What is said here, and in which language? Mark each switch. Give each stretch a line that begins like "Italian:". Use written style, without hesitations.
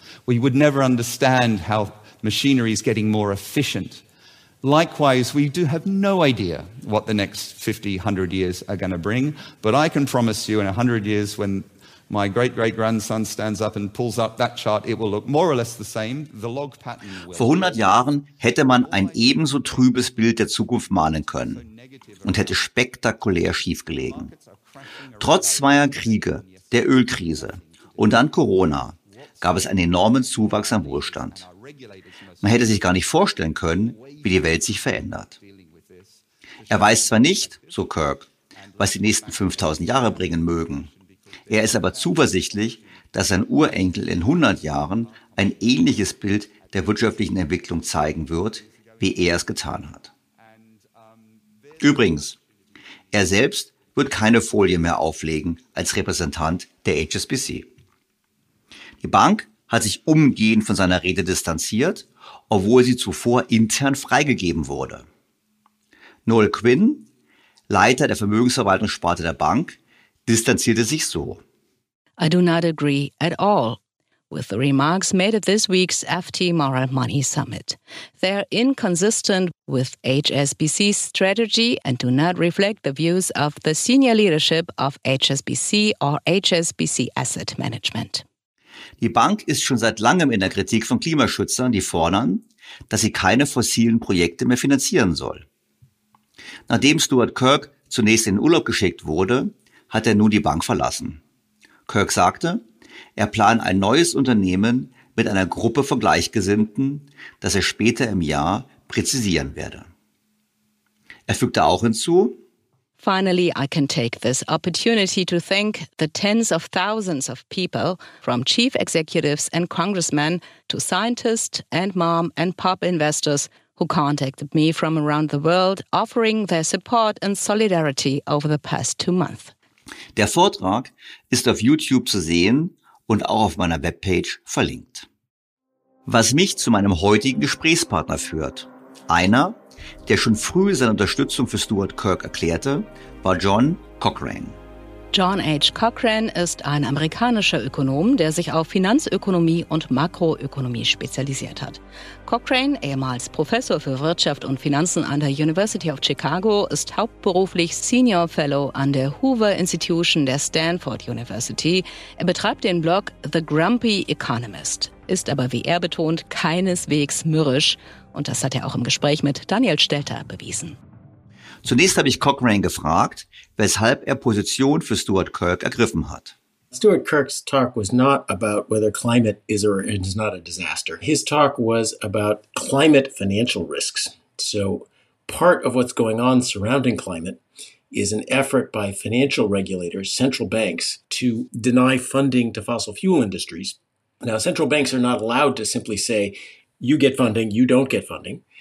English: We would never understand how machinery is getting more efficient. Likewise, we do have no idea what the next 50, 100 years are going to bring. But I can promise you in 100 years, when my great-great-grandson stands up and pulls up that chart, it will look more or less the same. The log pattern will.
German: Vor 100 Jahren hätte man ein ebenso trübes Bild der Zukunft malen können und hätte spektakulär schiefgelegen. Trotz zweier Kriege, der Ölkrise und dann Corona, gab es einen enormen Zuwachs an Wohlstand. Man hätte sich gar nicht vorstellen können, wie die Welt sich verändert. Er weiß zwar nicht, so Kirk, was die nächsten 5000 Jahre bringen mögen, er ist aber zuversichtlich, dass sein Urenkel in 100 Jahren ein ähnliches Bild der wirtschaftlichen Entwicklung zeigen wird, wie er es getan hat. Übrigens, er selbst wird keine Folie mehr auflegen als Repräsentant der HSBC. Die Bank hat sich umgehend von seiner Rede distanziert, obwohl sie zuvor intern freigegeben wurde. Noel Quinn, Leiter der Vermögensverwaltungssparte der Bank, distanzierte sich so. I do not agree at all with the remarks made at this week's FT Moral Money Summit. They are inconsistent with HSBC's strategy and do not reflect the views of the senior leadership of HSBC or HSBC Asset Management. Die Bank ist schon seit langem in der Kritik von Klimaschützern, die fordern, dass sie keine fossilen Projekte mehr finanzieren soll. Nachdem Stuart Kirk zunächst in Urlaub geschickt wurde, hat er nun die Bank verlassen. Kirk sagte, er plane ein neues Unternehmen mit einer Gruppe von Gleichgesinnten, das er später im Jahr präzisieren werde. Er fügte auch hinzu,
English: Finally, I can take this opportunity to thank the tens of thousands of people, from chief executives and congressmen to scientists and mom and pop investors who contacted me from around the world, offering their support and solidarity over the past 2 months.
German: Der Vortrag ist auf YouTube zu sehen und auch auf meiner Webpage verlinkt. Was mich zu meinem heutigen Gesprächspartner führt. Einer, der schon früh seine Unterstützung für Stuart Kirk erklärte, war John Cochrane. John H. Cochrane ist ein amerikanischer Ökonom, der sich auf Finanzökonomie und Makroökonomie spezialisiert hat. Cochrane, ehemals Professor für Wirtschaft und Finanzen an der University of Chicago, ist hauptberuflich Senior Fellow an der Hoover Institution der Stanford University. Er betreibt den Blog The Grumpy Economist, ist aber, wie er betont, keineswegs mürrisch. Und das hat er auch im Gespräch mit Daniel Stelter bewiesen. Zunächst habe ich Cochrane gefragt, weshalb er Position für Stuart Kirk ergriffen hat.
English: Stuart Kirk's talk was not about whether climate is or is not a disaster. His talk was about climate financial risks. So part of what's going on surrounding climate is an effort by financial regulators, central banks, to deny funding to fossil fuel industries. Now, central banks are not allowed to simply say, you get funding, you don't get funding.